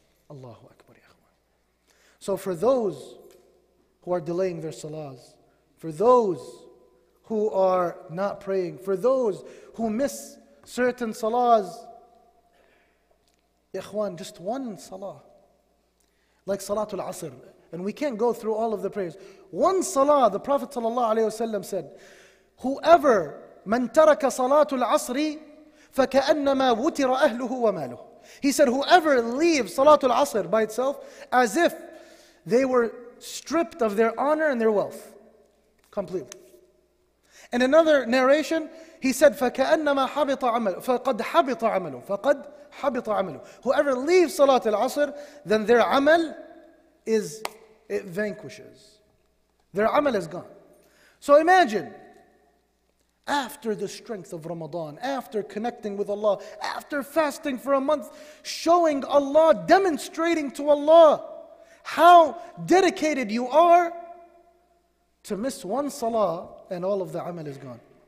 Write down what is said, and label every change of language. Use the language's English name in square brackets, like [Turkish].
[English] Allahu Akbar, ya Akhwan. So for those who are delaying their salahs, for those who are not praying, for those who miss certain salahs, ya Akhwan, just one salah, like Salatul Asr, and we can't go through all of the prayers. One salah, the Prophet ﷺ said, whoever, [Arabic] من ترك صلاة العصر فكأنما وتر أهله وماله. [English] He said, whoever leaves Salatul Asr by itself, as if they were stripped of their honor and their wealth. Completely. In another narration, he said, [Arabic] فكأنما حبط عمله, فقد حبط عمله, فقد حبط عمله. [English] Whoever leaves Salatul Asr, then their amal is, it vanquishes. Their amal is gone. So imagine, after the strength of Ramadan, after connecting with Allah, after fasting for a month, showing Allah, demonstrating to Allah how dedicated you are, to miss one salah and all of the amal is gone.